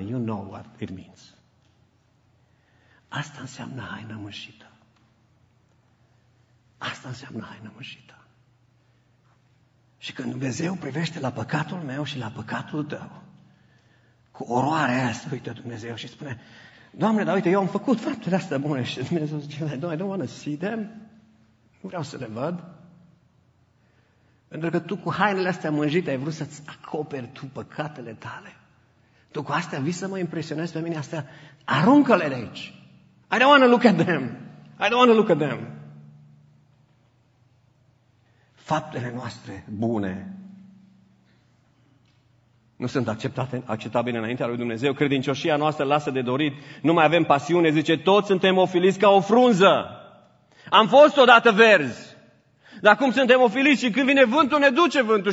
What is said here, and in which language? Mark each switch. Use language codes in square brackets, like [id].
[en] You know what it means. [ro] Asta înseamnă haina mânjită. Asta înseamnă haina mânjită. Și când Dumnezeu privește la păcatul meu și la păcatul tău, cu oroarea aia se uită Dumnezeu și spune, Doamne, dar uite, eu am făcut faptele astea bune. Și Dumnezeu zice, [en] I don't want to see them. [ro] Nu vreau să le văd. Pentru că tu cu hainele astea mânjite ai vrut să-ți acoperi tu păcatele tale. Tu cu astea vii să mă impresionezi pe mine, astea, aruncă-le de aici. [en] I don't want to look at them. [ro] Faptele noastre bune nu sunt acceptabile înaintea lui Dumnezeu. Credincioșia noastră lasă de dorit. Nu mai avem pasiune. Zice, toți suntem ofiliți ca o frunză. Am fost odată verzi. Dar acum suntem ofiliți și când vine vântul, ne duce vântul.